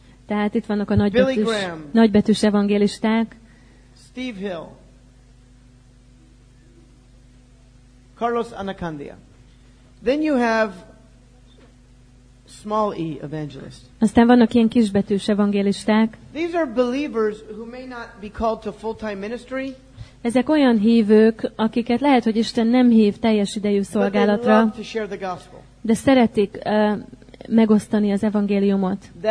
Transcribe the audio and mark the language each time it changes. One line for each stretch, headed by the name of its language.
Hungarian: Tehát itt vannak a nagybetűs evangélisták. Steve Hill.
English: Carlos Anacandia. Then you have small E evangelist.
Hungarian: Aztán vannak ilyen kisbetűs evangélisták.
English: These are believers who may not be called to full-time ministry.
Hungarian: Ezek olyan hívők, akiket lehet, hogy Isten nem hív teljes idejű szolgálatra, de szeretik megosztani az evangéliumot.